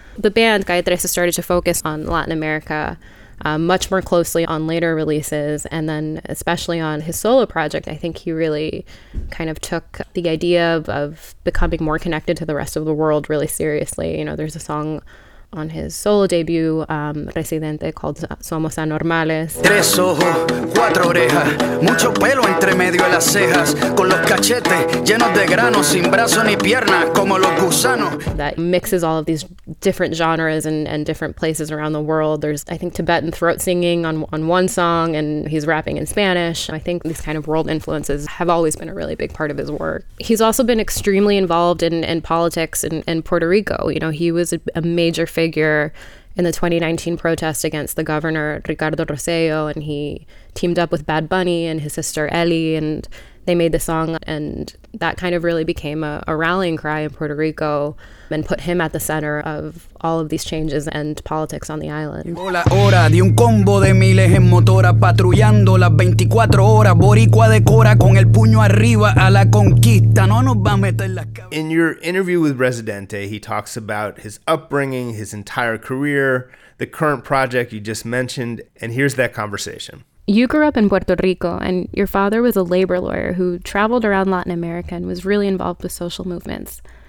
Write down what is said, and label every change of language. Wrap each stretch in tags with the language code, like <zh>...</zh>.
<en>The band, Calle 13, started to focus on Latin America much more closely on later releases, and then especially on his solo project. I think he really kind of took the idea of becoming more connected to the rest of the world really seriously. You know, there's a song on his solo debut, Residente, called Somos Anormales.</en> <es>Tres ojos, cuatro orejas, mucho pelo entre medio de las cejas, con los cachetes llenos de granos, sin brazos ni piernas, como los gusanos.</es> <en>That mixes all of these different genres and different places around the world. There's, I think, Tibetan throat singing on one song, and he's rapping in Spanish. I think these kind of world influences have always been a really big part of his work. He's also been extremely involved in politics in Puerto Rico. You know, he was a major figure in the 2019 protest against the governor, Ricardo Rosello, and he teamed up with Bad Bunny and his sister Ellie, and they made the song, and that kind of really became a rallying cry in Puerto Rico and put him at the center of all of these changes and politics on the island.</en> <es>La hora de un combo de miles en motora patrullando las 24 horas boricua de Cora con el puño arriba a la conquista no nos va a meter las cabezas.</es> <en>In your interview with Residente, he talks about his upbringing, his entire career, the current project you just mentioned, and here's that conversation. You grew up in Puerto Rico, and your father was a labor lawyer who traveled around Latin America and was really involved with social movements.</en>